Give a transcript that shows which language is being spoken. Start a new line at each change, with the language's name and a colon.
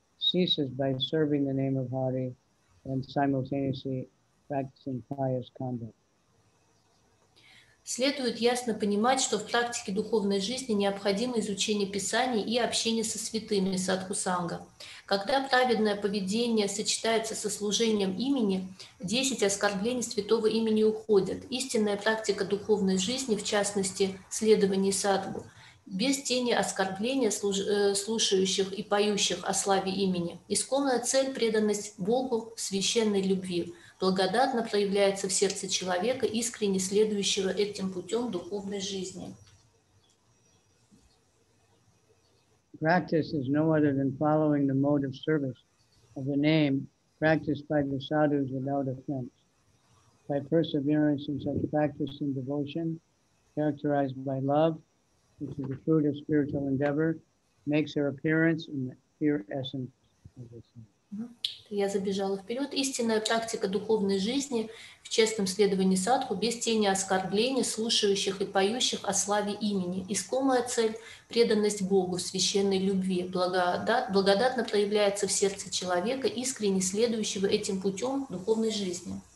English: ceases by serving the name of Hari and simultaneously practicing pious conduct.
Russian: Следует ясно понимать, что в практике духовной жизни необходимо изучение Писаний и общение со святыми, садху-санга. Когда праведное поведение сочетается со служением имени, 10 оскорблений святого имени уходят. Истинная практика духовной жизни, в частности, следование садху, без тени оскорбления слушающих и поющих о славе имени. Исконная цель – преданность Богу в священной любви. Благодатно проявляется в сердце человека, искренне следующего этим путем духовной жизни.
English: Practice is no other than following the mode of service of the name practiced by the sadhus without offense. By perseverance in such practice and devotion, characterized by love, which is the fruit of spiritual endeavor, makes her appearance in the pure essence of the saint.
Russian: Я забежала вперед. Истинная практика духовной жизни в честном следовании садху без тени оскорблений слушающих и поющих о славе имени. Искомая цель – преданность Богу в священной любви. Благодатно проявляется в сердце человека, искренне следующего этим путем духовной жизни.